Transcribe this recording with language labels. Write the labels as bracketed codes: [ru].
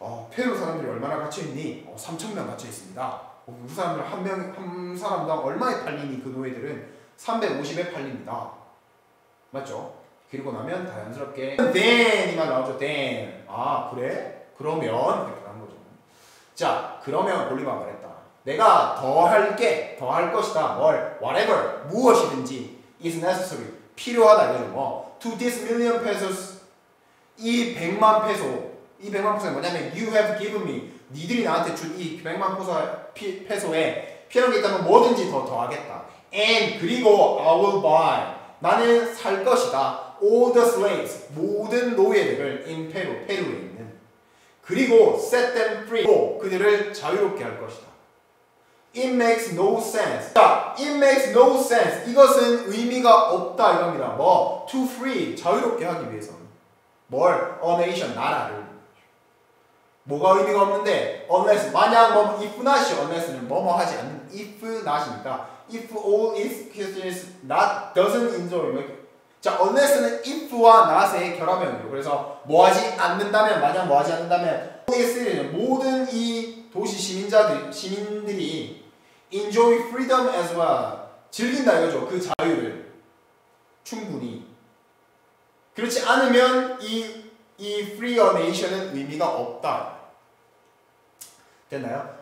[ko] 페루 사람들이 얼마나 갇혀있니? 3,000명 갇혀있습니다. 그 사람들 한 명, 한 사람당 얼마에 팔리니? 그 노예들은 350에 팔립니다. 맞죠? 그리고 나면 자연스럽게 then 이 말 나오죠. then. 아 그래? 그러면 이렇게 한 거죠. 자 그러면 볼리바 말했다. 내가 더 할게. 더 할 것이다. 뭘? whatever. 무엇이든지 is necessary. 필요하다. 이거죠. 뭐. to this million pesos. 이 100만 peso. 이 100만 peso가 뭐냐면 [en] you have given me. [ko] 니들이 나한테 준 이 100만 peso에 필요한 게 있다면 뭐든지 더 하겠다. [en] and [ko] 그리고 [en] I will buy. [ko] 나는 살 것이다. [en] All the slaves, [ko] 모든 노예들을 [en] in Peru, 페루에 있는. [ko] 그리고 [en] set them free, [ko] 그들을 자유롭게 할 것이다. [en] It makes no sense. 자, it makes no sense. [ko] 이것은 의미가 없다 이겁니다. 뭐, to free, 자유롭게 하기 위해서는. 뭘? [en] A nation, 나라를. [ko] 뭐가 의미가 없는데? Unless, 만약 뭐, if not이, unless는 뭐뭐 하지 않는, if not이니까. [en] If all is questions, not, doesn't enjoy. [ko] 자, unless는 if와 not의 결합형이에요. 그래서 뭐 하지 않는다면, 만약 뭐 하지 않는다면 모든 이 도시 시민자들, 시민들이 [en] enjoy freedom as well. [ko] 즐긴다 이거죠. 그 자유를 충분히. 그렇지 않으면 이 free a nation은 의미가 없다. 됐나요?